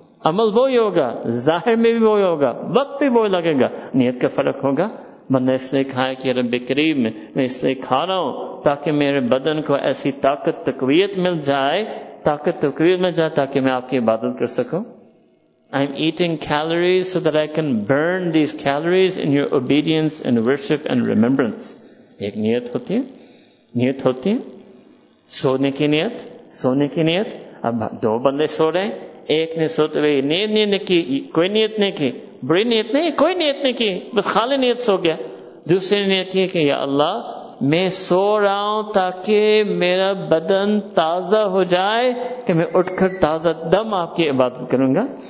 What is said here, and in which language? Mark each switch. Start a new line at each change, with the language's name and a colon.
Urdu: عمل وہی ہوگا, ظاہر میں بھی وہی ہوگا, وقت بھی وہی لگے گا, نیت کا فرق ہوگا. بندہ اس لیے کھائے کہ رب کریم میں اس لیے کھا رہا ہوں تاکہ میرے بدن کو ایسی طاقت تقویت مل جائے, طاقت تقویت مل جائے تاکہ میں آپ کی عبادت کر سکوں.
English: I'm eating calories so that I can burn these calories in your obedience and worship and remembrance.
Urdu: ایک نیت ہوتی ہے, نیت ہوتی ہے. سونے کی نیت, سونے کی نیت. اب دو بندے سو رہے ہیں, ایک نے سوتے ہوئے نیت نہیں کی, کوئی نیت نہیں کی, بری نیت نہیں, کوئی نیت نہیں کی, بس خالی نیت سو گیا. دوسری نیت یہ کہ یا اللہ میں سو رہا ہوں تاکہ میرا بدن تازہ ہو جائے, کہ میں اٹھ کر تازہ دم آپ کی عبادت کروں گا.